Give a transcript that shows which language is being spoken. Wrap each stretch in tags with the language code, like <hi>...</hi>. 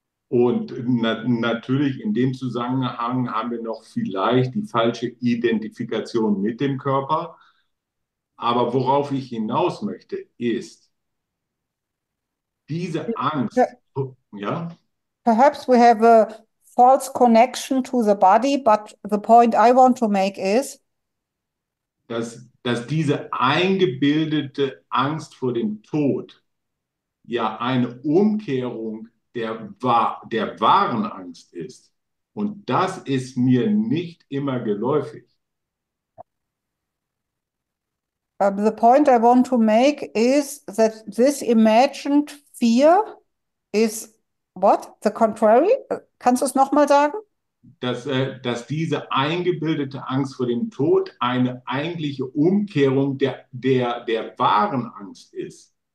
<de>Und na natürlich in dem Zusammenhang haben wir noch vielleicht die falsche Identifikation mit dem Körper. Aber worauf ich hinaus möchte, ist diese Angst, ja?</de> <en>Perhaps we have a false connection to the body, but the point I want to make is,</en> <de>Dass diese eingebildete Angst vor dem Tod ja eine Umkehrung der wahren Angst ist. Und das ist mir nicht immer geläufig.</de> <en>The point I want to make is that this imagined fear is what? The contrary?</en> <de>Kannst du es nochmal sagen? Dass diese eingebildete Angst vor dem Tod eine eigentliche Umkehrung der wahren Angst ist.</de>